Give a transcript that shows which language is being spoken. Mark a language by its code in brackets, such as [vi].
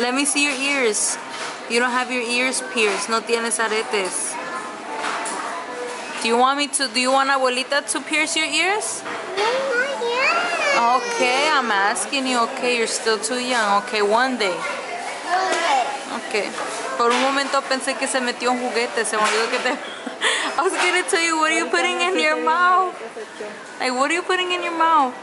[en] Let me see your ears. You don't have your ears pierced. [es] No tienes aretes. [en] Do you want abuelita to pierce your ears? Okay, I'm asking you, okay, you're still too young. Okay, one day. Okay. [es] Por un momento pensé que se metió un juguete. Se me olvidó que te... [en] I was gonna tell you, what are you putting in your mouth? Like, what are you putting in your mouth?